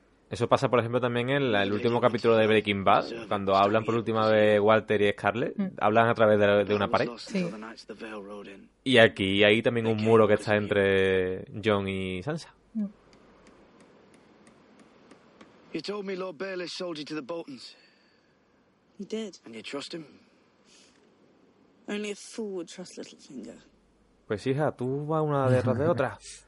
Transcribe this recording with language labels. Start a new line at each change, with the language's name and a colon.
Spanish: Eso pasa, por ejemplo, también en el último capítulo de Breaking Bad, cuando hablan por última vez Walter y Scarlett. Hablan a través de una pared. Sí. Y aquí hay también un muro que está entre Jon y Sansa.
English: You told me Lord Baelish sold you to the Boltons. He did. And you trust him? Only a fool would trust Littlefinger.
Spanish: Pues hija, tú vas una detrás de otra.